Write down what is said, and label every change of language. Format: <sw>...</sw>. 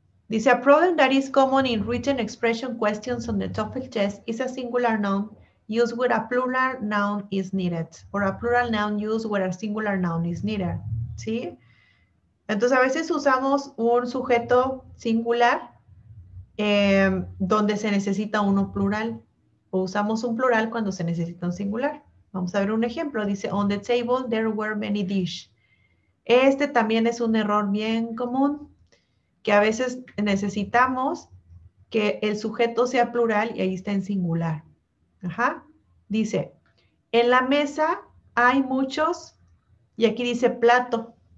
<es>Dice,</es> <en>a problem that is common in written expression questions on the TOEFL test is a singular noun used where a plural noun is needed. Or a plural noun used where a singular noun is needed.</en> <es>¿Sí? Entonces, a veces usamos un sujeto singular donde se necesita uno plural. O usamos un plural cuando se necesita un singular. Vamos a ver un ejemplo. Dice,</es> <en>on the table there were many dishes.</en> <es>Este también es un error bien común, que a veces necesitamos que el sujeto sea plural y ahí está en singular. Ajá. Dice, en la mesa hay muchos, y aquí dice plato.</es>